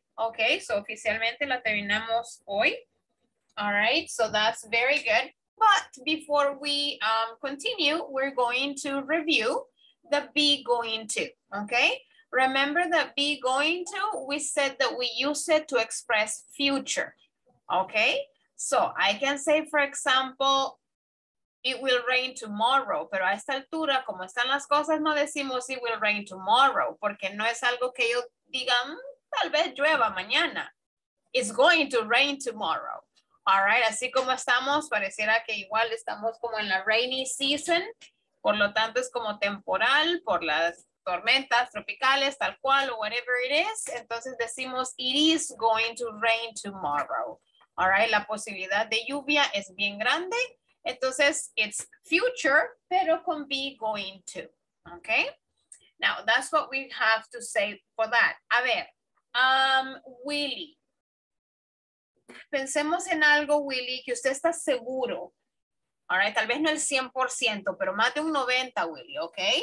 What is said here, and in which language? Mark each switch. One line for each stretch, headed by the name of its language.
English: Okay, so
Spanish: oficialmente la terminamos hoy.
English: All right, so that's very good. But before we continue, we're going to review the be going to, okay? Remember that be going to, we said that we use it to express future, okay? So I can say, for example, it will rain tomorrow,
Spanish: pero a esta altura, como están las cosas, no decimos
English: it will rain tomorrow,
Spanish: porque no es algo que yo digan, tal vez llueva mañana.
English: It's going to rain tomorrow. All right,
Spanish: así como estamos, pareciera que igual estamos como en la
English: rainy season.
Spanish: Por lo tanto, es como temporal por las tormentas tropicales, tal cual, o
English: whatever it is.
Spanish: Entonces decimos,
English: it is going to rain tomorrow. All right,
Spanish: la posibilidad de lluvia es bien grande.
English: Entonces, it's future,
Spanish: pero con
English: be going to. Okay, Now, that's what we have to say for that.
Spanish: A ver, Willy. Pensemos en algo, Willy, que usted está seguro.
English: All right,
Spanish: tal vez no el 100%, pero más de un 90%, Willy, ¿ok?